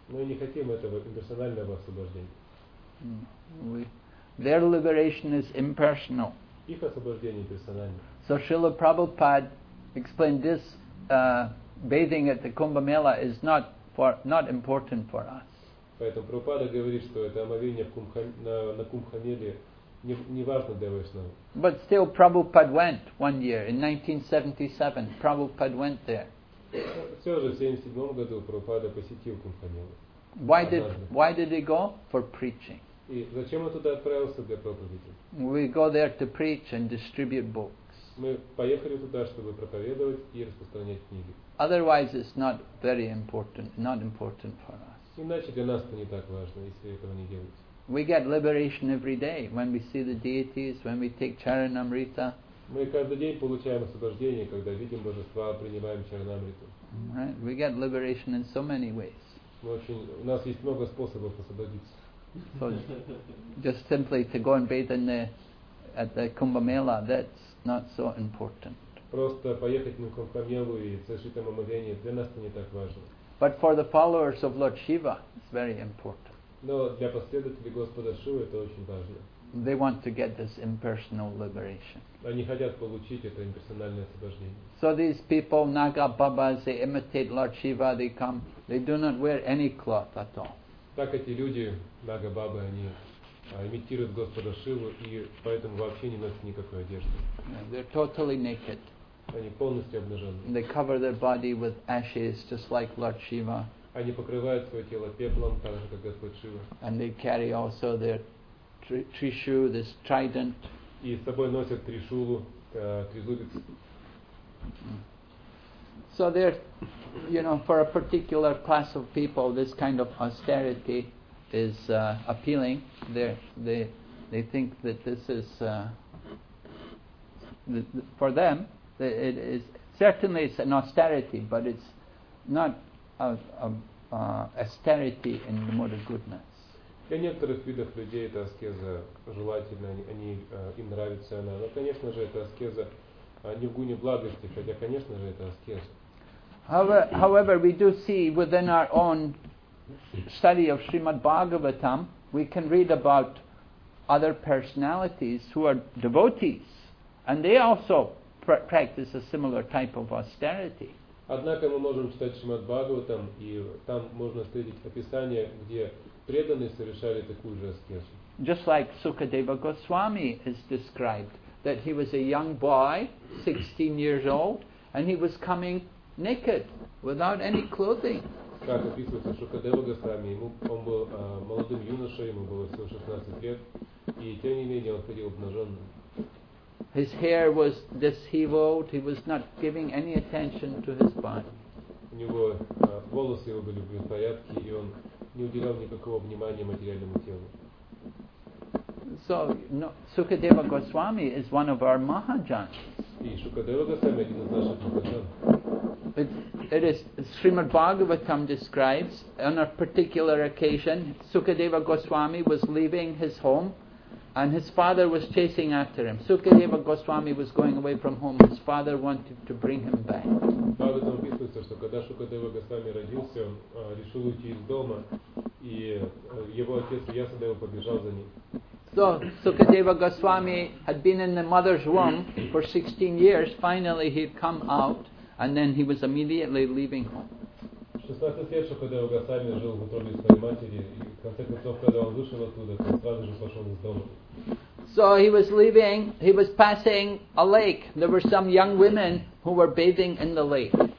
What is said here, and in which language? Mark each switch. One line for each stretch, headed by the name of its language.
Russian: Мы не хотим этого имперсонального освобождения.
English: Their liberation is impersonal.
Russian: Их освобождение персональное.
English: So Srila Prabhupada explained this bathing at the Kumbh Mela is not important for us.
Russian: Поэтому Прабхупада говорит, что это омовение на Кумбх Меле не важно для Вайшнава.
English: But still Prabhupada went one year in 1977. Prabhupada went there.
Russian: Все же в 77 году Прабхупада посетил Кумбх Мелу.
English: Why did he go? For preaching.
Russian: И зачем он туда отправился для проповеди?
English: We go there to preach and distribute books.
Russian: Мы поехали туда, чтобы проповедовать и распространять книги.
English: Otherwise, it's not very important, not important for us.
Russian: Иначе для нас это не так важно, если этого не делать.
English: We get liberation every day when we see the deities, when we take charanamrita.
Russian: Мы каждый день получаем освобождение, когда видим божества, принимаем чаранамриту.
English: Right? We get liberation in so many ways.
Russian: У нас есть много способов освободиться.
English: So, just simply to go and bathe in at the Kumbh Mela, that's not so important.
Russian: Просто поехать на Кумбх Мелу и совершить там омовение для нас это не так важно.
English: But for the followers of Lord Shiva, it's very important.
Russian: Но для последователей Господа Шивы это очень важно.
English: They want to get this impersonal liberation.
Russian: Они хотят получить это имперсональное освобождение.
English: So these people, Naga Babas, they imitate Lord Shiva. They come. They do not wear any cloth at all.
Russian: Так эти люди, Нага Бабы, они имитируют Господа Шиву и поэтому вообще не носят никакой одежды.
English: They're totally naked.
Russian: Они полностью обнажены.
English: They cover their body with ashes, just like Lord Shiva.
Russian: Они покрывают свое тело пеплом, так же как Господь Шива.
English: And they carry also their trishu, this trident.
Russian: И с собой носят тришулу, тризубец.
English: So they're, you know, for a particular class of people, this kind of austerity is appealing. They think that this is for them. It is certainly it's an austerity, but it's not a austerity in the mode of goodness.
Russian: Для некоторых видов людей эта аскеза желательна, они им нравится она. Но, конечно же, эта аскеза не в гуне благости, хотя, конечно же, это аскеза.
English: However, we do see within our own study of Srimad Bhagavatam, we can read about other personalities who are devotees, and they also practice a similar type of austerity.
Russian: Однако мы можем читать Шримад Бхагаватам, и там можно встретить описание, где преданные совершали такую же аскезу.
English: Just like Sukadeva Goswami is described, that he was a young boy, 16 years old, and he was coming naked, without any clothing.
Russian: Как описывается Шукадева Госвами, он был молодым юношей, ему было всего 16 лет, и тем не менее он ходил обнаженным.
English: His hair was disheveled, he was not giving any attention to his body.
Russian: У него волосы его были в беспорядке, и он не уделял никакого внимания материальному телу.
English: So, no, Sukadeva Goswami is one of our Mahajans.
Russian: И Шукадева Госвами один из наших Mahajan.
English: It is Srimad Bhagavatam describes on a particular occasion Sukadeva Goswami was leaving his home and his father was chasing after him. Sukadeva Goswami was going away from home. His father wanted to bring him back.
Russian: Bhagavatam описывается, что когда Шукадева Госвами родился, он решил уйти из дома и его отец Ясадева побежал за ним.
English: So Sukadeva Goswami had been in the mother's womb for 16 years. Finally he'd come out. And then he was immediately leaving home.
Russian: 16 лет, когда его Госвами жил в утробе своей матери, и в конце концов, когда он вышел оттуда, он сразу же пошел из дома.
English: So he was leaving. He was passing a lake. There were some young women who were bathing in the lake.